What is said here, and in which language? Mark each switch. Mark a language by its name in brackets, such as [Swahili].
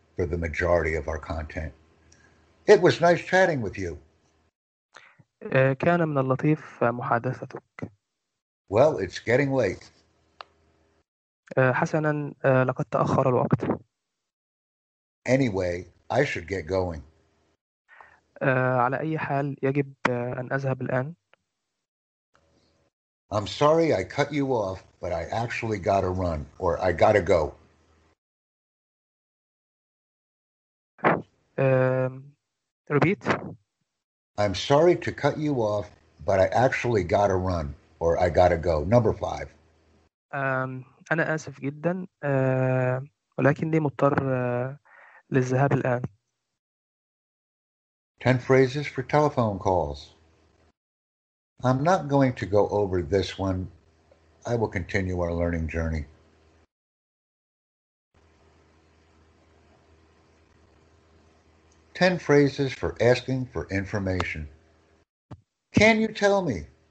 [English] for the majority of our content. It was nice chatting with you. [Arabic] كان من اللطيف محادثتك. [English] Well, it's getting late. [Arabic] حسنا لقد تأخر الوقت. [English] Anyway, I should get going. [Arabic] على أي حال يجب أن أذهب الآن. [English] I'm sorry I cut you off, but I actually gotta run, or I gotta go. Repeat. I'm sorry to cut you off, but I actually gotta run, or I gotta go. Number five. [Arabic] أنا آسف جداً، ولكني مضطر للذهاب الآن. [English] 10 phrases for telephone calls. I'm not going to go over this one. I will continue our learning journey. Ten phrases for asking for information. Can you tell me?